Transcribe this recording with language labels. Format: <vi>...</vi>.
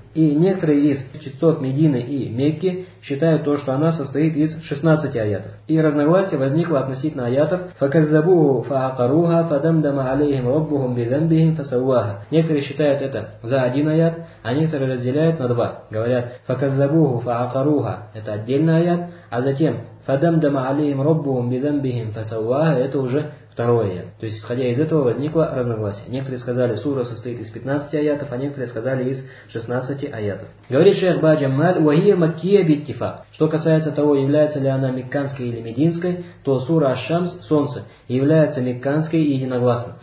<ru>И некоторые из чтецов Медины и Мекки считают то, что она состоит из 16 аятов. И разногласие возникло относительно аятов.</ru> <ar>فَكَذَّبُوهُ فَعَقَرُوهَا فَدَمْدَمَ عَلَيْهِمْ رَبُّهُمْ بِذَنْبِهِمْ فَسَوَّهَا.</ar> <ru>Некоторые считают это за один аят, а некоторые разделяют на два. Говорят</ru> <ar>فَكَذَّبُوهُ فَعَقَرُوهَا.</ar> <ru>Это отдельный аят, а затем</ru> <ar>فَدَمْدَمَ عَلَيْهِمْ رَبُّهُمْ بِذَنْبِهِمْ فَسَوَّهَا.</ar> <ru>Это уже второй аят. То есть, исходя из этого, возникло разногласие. Некоторые сказали, сура состоит из 15 аятов, а некоторые сказали из 16 аятов. Говорит шейх Баджаммаль,</ru> <ar>«Вахия маккия биттифа».</ar> <ru>Что касается того, является ли она мекканской или мединской, то сура Аш-Шамс, Солнце, является мекканской и единогласно.</ru>